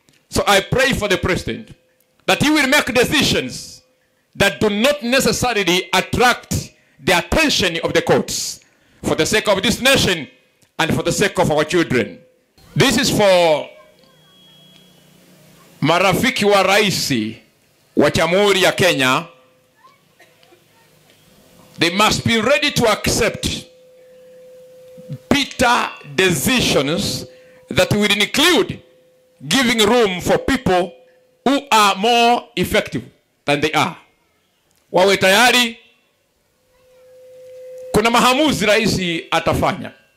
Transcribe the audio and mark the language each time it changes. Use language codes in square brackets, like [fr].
[en] So I pray for the president that he will make decisions that do not necessarily attract the attention of the courts for the sake of this nation and for the sake of our children. This is for [sw] marafiki wa raisi wa Jamhuri ya Kenya. [en] They must be ready to accept bitter decisions that will include giving room for people who are more effective than they are. [sw] Wawe tayari, kuna mahamuzi raisi atafanya.